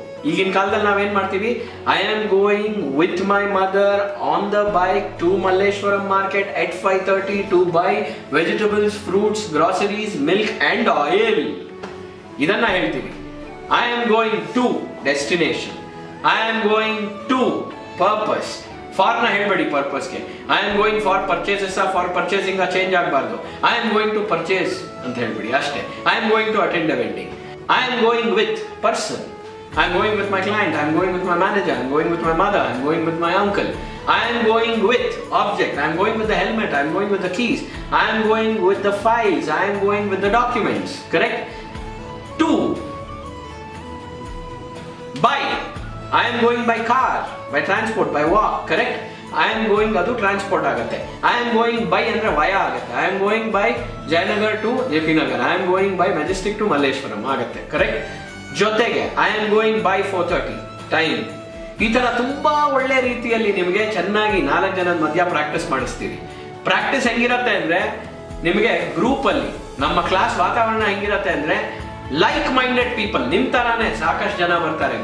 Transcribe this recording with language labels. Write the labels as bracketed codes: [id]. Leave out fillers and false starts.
[kn] ಈಗಿನ ಕಾಲದಲ್ಲಿ ನಾವೇನ್ ಮಾಡ್ತೀವಿ, [en] I am going with my mother on the bike to Malleshwaram market at 5:30 to buy vegetables, fruits, groceries, milk and oil. [kn] ಇದನ್ನ ಹೇಳ್ತೀವಿ. [en] I am going to destination, I am going to purpose. For [kn] ನ ಹೇಳ್ಬೇಡಿ ಪರ್ಪಸ್ಗೆ. [en] I am going for purchases, for purchasing change [kn] ಆಗಬಾರ್ದು. [en] I am going to purchase [kn] ಅಂತ ಹೇಳ್ಬಿಡಿ ಅಷ್ಟೇ. [en] I am going to attend a wedding, I am going with person, I am going with my client, I am going with my manager, I am going with my mother, I am going with my uncle. I am going with object, I am going with the helmet, I am going with the keys, I am going with the files, I am going with the documents. Correct? Two. By. I am going by car, by transport, by walk. Correct? I am going [kn] adu [en] transport [kn] agutte. [en] I am going by [kn] andre [en] via [kn] agutte. [en] I am going by Jayanagar to JP Nagar. I am going by Majestic to Malleshwaram [kn] agutte. [en] Correct? [kn] ಜೊತೆಗೆ [en] I am going by 4:30 time. [kn] ಈ ತರ ತುಂಬಾ ಒಳ್ಳೆ ರೀತಿಯಲ್ಲಿ ನಿಮಗೆ ಚೆನ್ನಾಗಿ 4 ಜನದ ಮಧ್ಯ ಪ್ರಾಕ್ಟೀಸ್ ಮಾಡಿಸ್ತೀವಿ. ಪ್ರಾಕ್ಟೀಸ್ ಹೆಂಗಿರತ್ತೆ ಅಂದ್ರೆ, ನಿಮಗೆ ಗ್ರೂಪ್ ಅಲ್ಲಿ ನಮ್ಮ ಕ್ಲಾಸ್ ವಾತಾವರಣ ಹೆಂಗಿರತ್ತೆ ಅಂದ್ರೆ, [en] like minded people, [kn] ನಿಮ್ ತರಾನೆ ಸಾಕಷ್ಟು ಜನ ಬರ್ತಾರೆ.